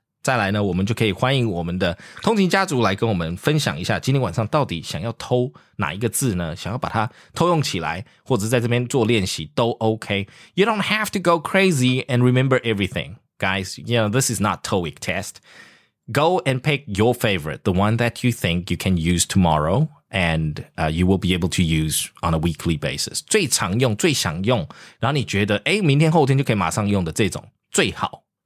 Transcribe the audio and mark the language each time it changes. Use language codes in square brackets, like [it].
[zh] 再来呢，我们就可以欢迎我们的通勤家族来跟我们分享一下，今天晚上到底想要偷哪一个字呢？想要把它偷用起来，或者在这边做练习都 OK。 [en] You don't have to go crazy and remember everything, guys. You know, this is not TOEIC test. Go and pick your favorite, the one that you think you can use tomorrow. And you will be able to use on a weekly basis. [zh] 最常用、最想用，然后你觉得哎，明天、后天就可以马上用的这种最好。